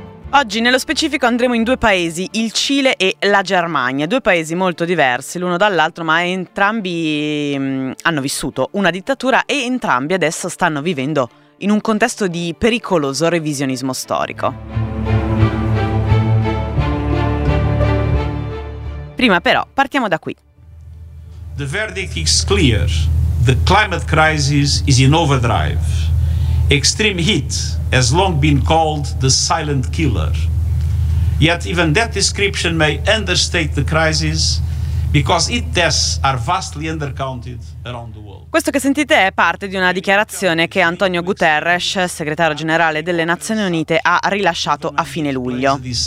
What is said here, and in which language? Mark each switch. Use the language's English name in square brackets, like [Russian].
[Italian] Oggi nello specifico andremo in due paesi, il Cile e la Germania, due paesi molto diversi l'uno dall'altro, ma entrambi hanno vissuto una dittatura e entrambi adesso stanno vivendo in un contesto di pericoloso revisionismo storico. Prima però partiamo da qui. [English] The verdict is clear. The climate crisis is in overdrive. Extreme heat has long been called the silent killer. Yet even that description may understate the crisis because its deaths are vastly undercounted around the world. [Italian] Questo che sentite è parte di una dichiarazione che Antonio Guterres, segretario generale delle Nazioni Unite, ha rilasciato a fine luglio.